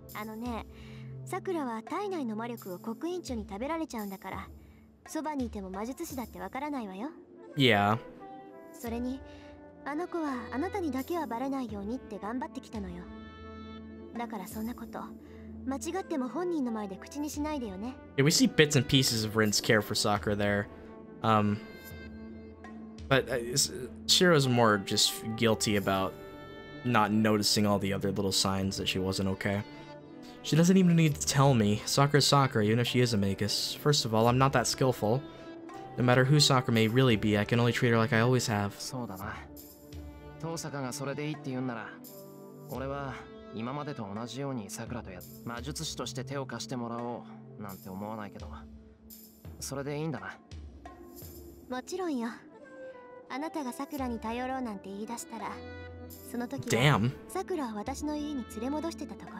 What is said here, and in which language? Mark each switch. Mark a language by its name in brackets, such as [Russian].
[Japanese] あのね、桜は体内の魔力を刻印中に食べられちゃうんだから、そばにいても魔術師だってわからないわよ。 Yeah. それにあの子はあなたにだけはバレないようにって頑張ってきたのよ。だからそんなこと間違っても本人の前で口にしないでよね。 [English] Yeah, we see bits and pieces of Rin's care for Sakura there. But Shiro's more just guilty about not noticing all the other little signs that she wasn't okay. She doesn't even need to tell me. Sakura's Sakura, even if she is a Magus. First of all, I'm not that skillful. No matter who Sakura may really be, I can only treat her like I always have. [Japanese] そうだな。トーサカがそれでいいって言うなら、俺は今までと同じようにサクラとや魔術師として手を貸してもらおうなんて思わないけど、それでいいんだな。もちろんよ。あなたがサクラに頼ろうなんて言い出したら、その時は、サクラは私の家に連れ戻してたところ。